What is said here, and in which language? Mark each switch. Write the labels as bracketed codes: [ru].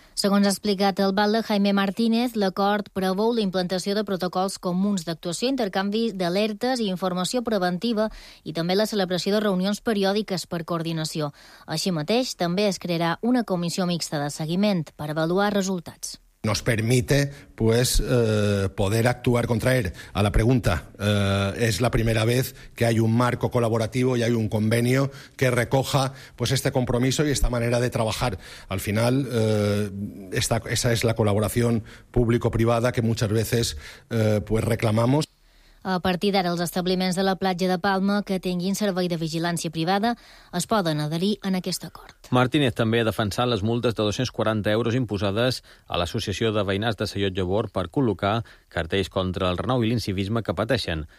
[ca] Segons ha explicat el batle Jaime Martínez, l'acord preveu la implantació de protocols comuns d'actuació, intercanvi d'alertes i informació preventiva i també la celebració de reunions periòdiques per coordinació. Així mateix, també es crearà una comissió mixta de seguiment per avaluar resultats. [es] Nos permite pues poder actuar contra él. A la pregunta, es la primera vez que hay un marco colaborativo y hay un convenio que recoja pues este compromiso y esta manera de trabajar. Al final, esa es la colaboración público-privada que muchas veces pues reclamamos. [ca] A partir d'ara, els establiments de la platja de Palma que tinguin servei de vigilància privada es poden adherir en aquest acord. Martínez també ha defensat les multes de 240 euros imposades a l'Associació de Veïnats de Sallot Llavor per col·locar cartells contra el renou i l'incivisme que pateixen.